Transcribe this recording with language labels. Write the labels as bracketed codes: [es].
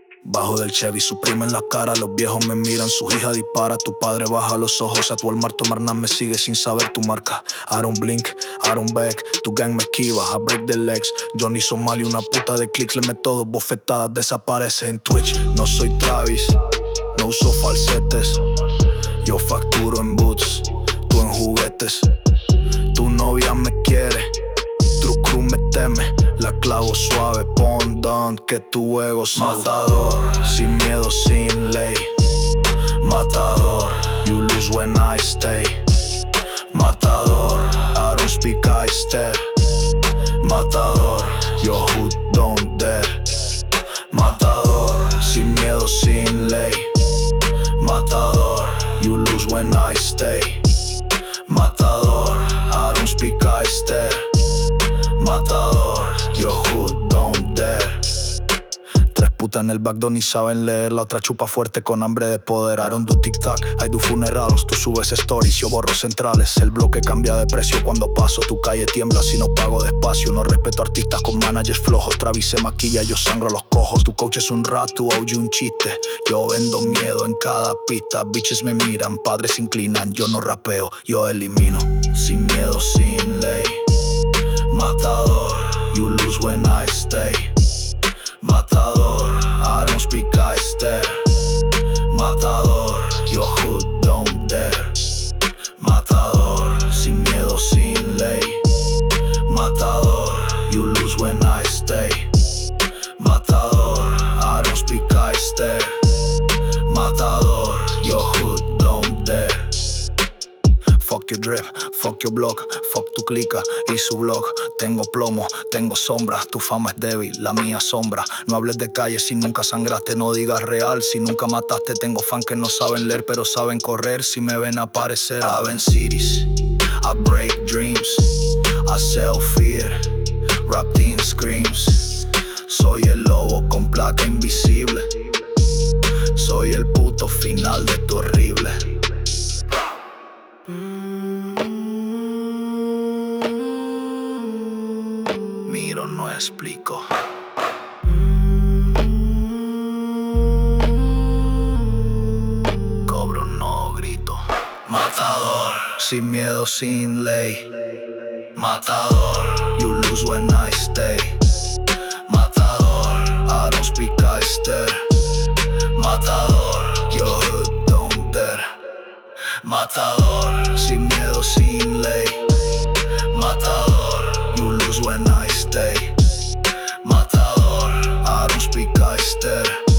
[es] Bajo del Chevy Supreme en la cara, los viejos me miran, su hija dispara, tu padre baja los ojos, a tu Walmart, tu Marnan me sigue sin saber tu marca. [en] I don't blink, I don't back, [es] tu gang me esquiva, [en] I break the legs. [es] Johnny Somali, una puta de clics, le meto dos bofetadas, desaparece en Twitch. No soy Travis, no uso falsetes, yo facturo en boots, tú en juguetes. Tu novia me quiere, [en] true crew [es] me teme. La clavo suave, pon down, que tu ego es matador. Sin miedo, sin ley, matador. [en] You lose when I stay, matador. I don't speak, I stare, matador. Your hood don't dare, matador. [es] Sin miedo, sin ley, matador. [en] You lose when I stay, matador. I don't speak, I stare, matador. Your hood don't dare. [es] Tres putas en el backdoor ni saben leer. La otra chupa fuerte con hambre de poder. [en] I don't do tic tac, I do funerals. [es] Tú subes stories, yo borro centrales. El bloque cambia de precio cuando paso. Tu calle tiembla si no pago despacio. No respeto artistas con managers flojos. Travis se maquilla, yo sangro los cojos. Tu coach es un [en] rat, [es] tu OG un chiste. Yo vendo miedo en cada pista. Bitches me miran, padres se inclinan. Yo no rapeo, yo elimino. Sin miedo, sin ley, matador. [en] You lose when I stay, matador. I don't speak, I stare, matador. Your hood don't dare, matador. [es] Sin miedo, sin ley, matador. [en] You lose when I stay, matador. I don't speak, I stare, matador. Your hood don't dare. Fuck your drip, fuck your block, fuck [es] tu clica y su blog. Tengo plomo, tengo sombra, tu fama es débil, la mía sombra. No hables de calle si nunca sangraste, no digas real si nunca mataste. Tengo fans que no saben leer, pero saben correr si me ven aparecer. [en] I've been cities, I break dreams, I sell fear, rap team screams. [es] Soy el lobo con placa invisible, soy el puto final de tu horrible. Miro, no explico. Cobro, no grito. Matador, sin miedo, sin ley. [en] Matador, you lose when I stay. Matador, I don't speak, I stare. Matador, your hood don't dare. [es] Matador, sin miedo, sin ley. [en] Matador, you lose when I stay. Matador, I don't speak, I stare.